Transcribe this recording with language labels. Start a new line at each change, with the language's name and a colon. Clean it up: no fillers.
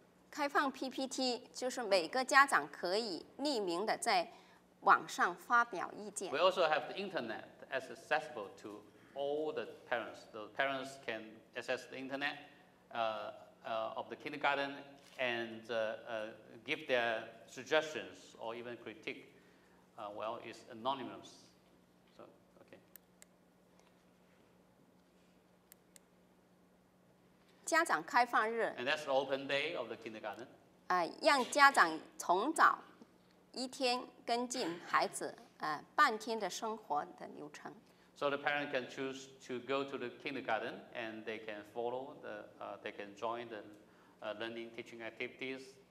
Chinese: 开放
English: PPT
Chinese: 就是每个家长可以匿名的在网上发表意见。
English: We also have the internet as accessible to all the parents. The parents can access the internet of the kindergarten and give their suggestions or even critique. Well, it's anonymous. So, okay.
Chinese: 家长开放日。
English: And that's the open day of the kindergarten.
Chinese: 让家长从早一天跟进孩子 半天的生活的流程。
English: So the parent can choose to go to the kindergarten and they can follow the, they can join the learning teaching activities.